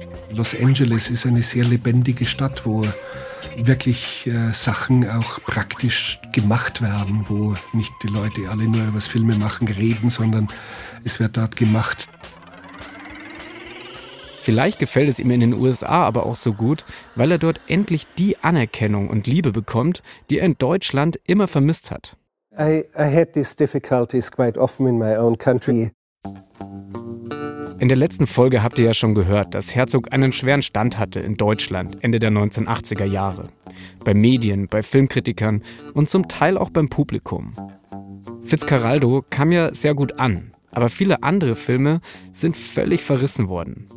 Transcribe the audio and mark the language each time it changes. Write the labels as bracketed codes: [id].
[de] Los Angeles ist eine sehr lebendige Stadt, wo wirklich Sachen auch praktisch gemacht werden, wo nicht die Leute alle nur über das Filmemachen reden, sondern es wird dort gemacht. Vielleicht gefällt es ihm in den USA aber auch so gut, weil er dort endlich die Anerkennung und Liebe bekommt, die er in Deutschland immer vermisst hat. [en] I had these difficulties quite often in my own country. [de] In der letzten Folge habt ihr ja schon gehört, dass Herzog einen schweren Stand hatte in Deutschland Ende der 1980er Jahre. Bei Medien, bei Filmkritikern und zum Teil auch beim Publikum. Fitzcarraldo kam ja sehr gut an, aber viele andere Filme sind völlig verrissen worden.